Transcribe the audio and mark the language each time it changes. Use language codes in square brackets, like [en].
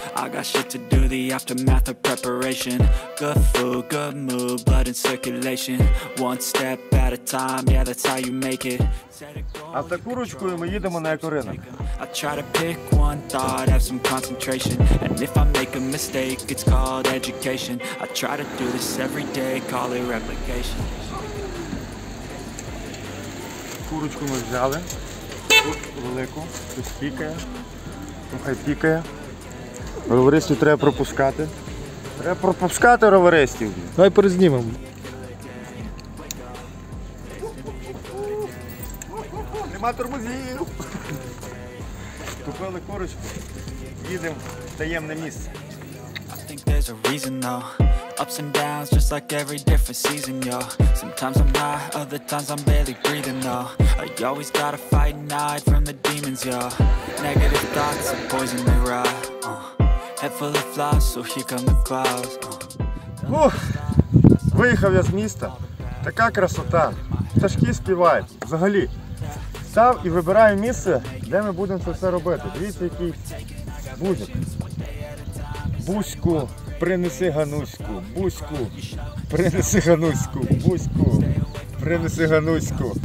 [en] I got shit to do, the aftermath of preparation. Good food, good mood, blood in circulation. One step at a time, yeah, that's how you make it. [uk] А за курочкою ми їдемо на екоринок. [en] I try to pick one thought, have some concentration. And if I make a mistake, it's called education. I try to do this every day, call it replication. [uk] Курочку ми взяли. Велику, щось пікає, нехай пікає. Ровористів треба пропускати. Треба пропускати ровористів. Давай перезнімемо. Нема тормозів. Купили курочку, їдемо в таємне місце. [en] There's a reason though, ups and downs just like every different season, yo. Sometimes I'm high, other times I'm barely breathing though. I always gotta fight and hide from the demons, yo. Negative thoughts are poison they rot. Head full of flies, so here come the clouds. [uk] Виїхав я з міста. Така красота. Це ж київський вайб. Взагалі. Став і вибираю місце, де ми будемо це все робити. Дивіться, який бузик. Бузьку, принеси Гануську, бузьку, принеси Гануську, бузьку, принеси Гануську.